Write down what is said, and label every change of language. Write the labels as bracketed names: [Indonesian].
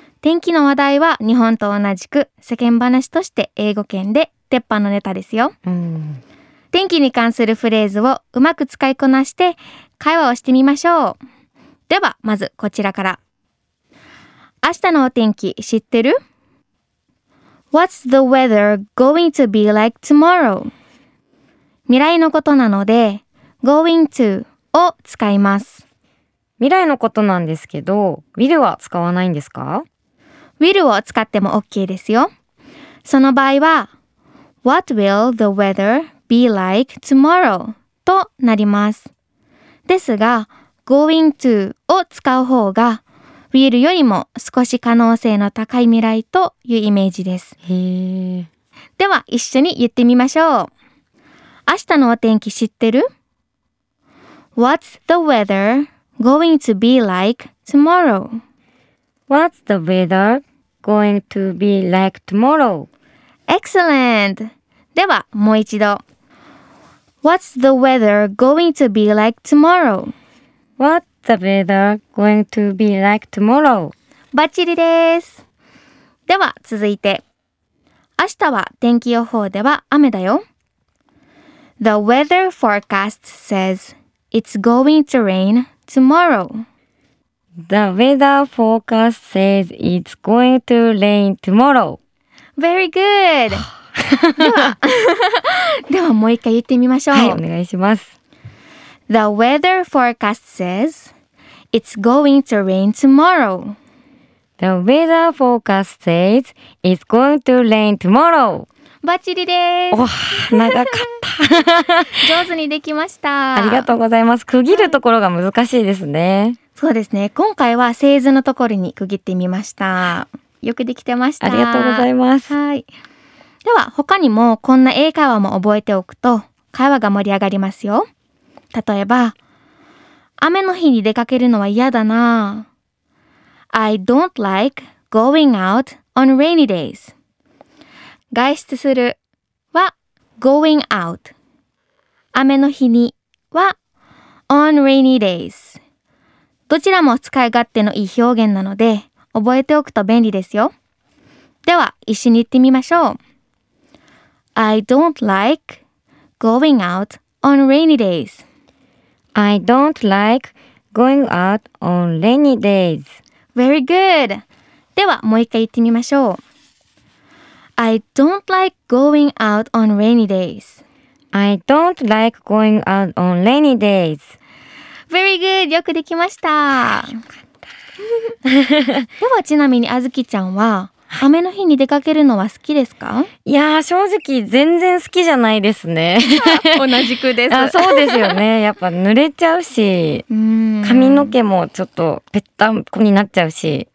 [Japanese] 天気の話題は日本と同じく世間話として英語圏で鉄板のネタですよ。天気に関するフレーズをうまく使いこなして会話をしてみましょう。ではまずこちらから。明日のお天気知ってる？ [English] What's the weather going to be like tomorrow? [Japanese] 未来のことなので going to を使います。未来のことなんですけど、 will は使わないんですか？ will を使っても OK ですよ。その場合は [English] What will the weather be like tomorrow? [Japanese] となります。ですがGoing to を使う方が Will よりも少し可能性の高い未来というイメージです。へー、では一緒に言ってみましょう。明日のお天気知ってる？ [English] What's the weather going to be like tomorrow? What's the weather going to be like tomorrow? Excellent! [Japanese] ではもう一度。 [English] What's the weather going to be like tomorrow? What's the weather going to be like tomorrow? [Japanese] バッチリです。では続いて、明日は天気予報では雨だよ。 [English] The weather forecast says it's going to rain tomorrow. The weather forecast says it's going to rain tomorrow. Very good! [Japanese] ではもう一回言ってみましょう。はい、お願いします。 [English] The weather forecast says it's going to rain tomorrow. The weather forecast says it's going to rain tomorrow. [Japanese] バッチリです。わあ、長かった。上手にできました。ありがとうございます。区切るところが難しいですね。はい、そうですね。今回は製図のところに区切ってみました。よくできてました。ありがとうございます。はい、では他にもこんな英会話も覚えておくと会話が盛り上がりますよ。例えば、雨の日に出かけるのは嫌だな。 [English] I don't like going out on rainy days. [Japanese] 外出するは [English] going out。 [Japanese] 雨の日には [English] on rainy days。 [Japanese] どちらも使い勝手のいい表現なので覚えておくと便利ですよ。では一緒に言ってみましょう。 [English] I don't like going out on rainy days. I don't like going out on rainy days. Very good. [Japanese] ではもう一回言ってみましょう。 I don't like going out on rainy days. I don't like going out on rainy days. [English] Very good. [Japanese] よくできました。よかった。ではちなみにあずきちゃんは雨の日に出かけるのは好きですか？いやー、正直全然好きじゃないですね。同じくです。あ、そうですよね。やっぱ濡れちゃうし、髪の毛もちょっとぺったんこになっちゃうし。